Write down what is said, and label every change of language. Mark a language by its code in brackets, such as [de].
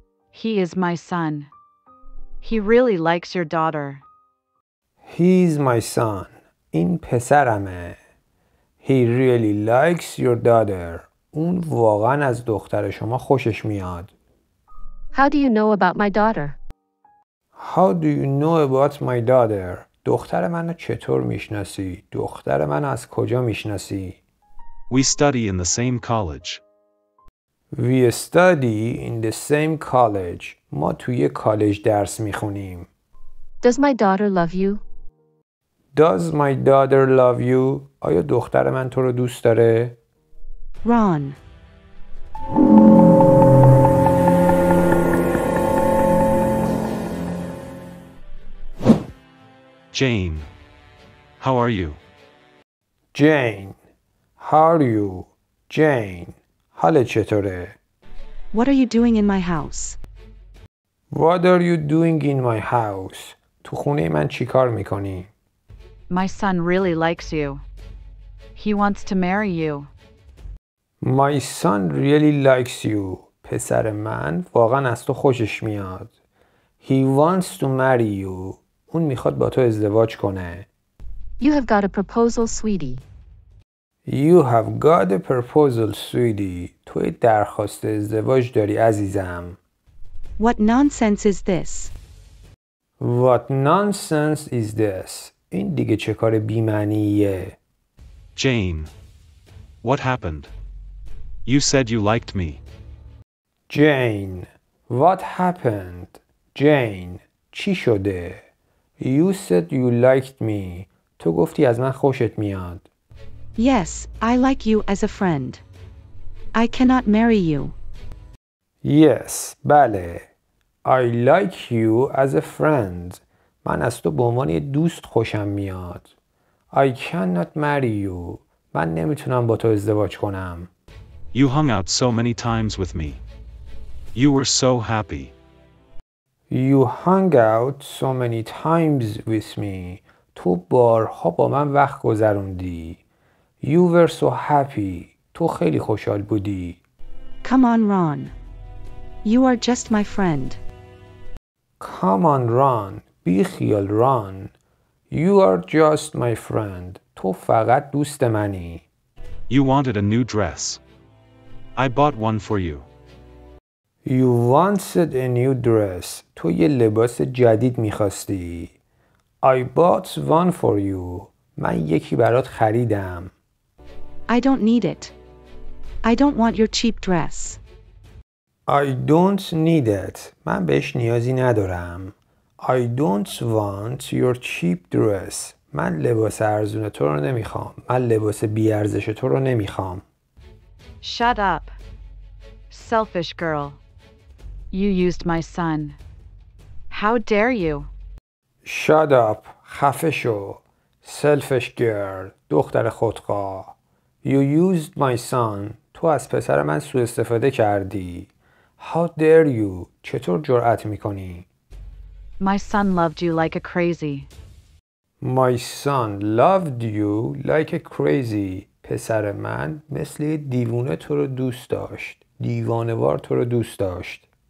[en] He is my son. He really likes your daughter. He is my son. [fa] این پسرمه. [en] He really likes your daughter. [fa] اون واقعا از دختر شما خوشش میاد. [en] How do you know about my daughter? How do you know about my daughter? [fa] دختر منو چطور میشناسی؟ دختر منو از کجا میشناسی؟ [en] We study in the same college. We study in the same college. [fa] ما توی کالج درس میخونیم. [en] Does my daughter love you? Does my daughter love you? [fa] آیا دختر من تو رو دوست داره؟ [en] Ron. Jane, how are you? Jane, how are you? [fa] Jane, حالت چطوره؟ [en] What are you doing in my house? What are you doing in my house? [fa] تو خونه من چی کار میکنی؟ [en] My son really likes you. He wants to marry you. My son really likes you. [fa] پسر من واقعا از تو خوشش میاد. [en] He wants to marry you. [fa] اون میخواد با تو ازدواج کنه. [en] You have got a proposal, sweetie. You have got a proposal, sweetie. [fa] تو یه درخواست ازدواج داری عزیزم. [en] What nonsense is this? What nonsense is this? [fa] این دیگه چه کار بی‌معنیه. [en] Jane, what happened? You said you liked me. Jane, what happened? [fa] Jane, چی شده؟ [en] You said you liked me. [fa] تو گفتی از من خوشت میاد. [en] Yes, I like you as a friend. I cannot marry you. Yes, [fa] بله. [en] I like you as a friend. [fa] من از تو به عنوان یه دوست خوشم میاد. [en] I cannot marry you. [fa] من نمیتونم با تو ازدواج کنم. [en] You hung out so many times with me. You were so happy. You hung out so many times with me. [fa] تو بارها با من وقت گذروندی. [en] You were so happy. [fa] تو خیلی خوشحال بودی. [en] Come on, Ron. You are just my friend. Come on, Ron. [fa] بی خیال ران. [en] You are just my friend. [fa] تو فقط دوست منی. [en] You wanted a new dress. I bought one for you. You wanted a new dress. [fa] تو یه لباس جدید میخواستی. [en] I bought one for you. [fa] من یکی برات خریدم. [en] I don't need it. I don't want your cheap dress. I don't need it. [fa] من بهش نیازی ندارم. [en] I don't want your cheap dress. [fa] من لباس ارزون تو رو نمیخوام. من لباس بی ارزش تو رو نمیخوام. [en] Shut up. Selfish girl. You used my son. How dare you? Shut up. [fa] خفه شو. [en] Selfish girl. [fa] دختر خودخواه. [en] You used my son. [fa] تو از پسر من سوء استفاده کردی. [en] How dare you? [fa] چطور جرأت میکنی؟ [en] My son loved you like a crazy. My son loved you like a crazy. [fa] پسر من مثل دیوونه تو رو دوست داشت. دیوانوار تو رو دوست داشت.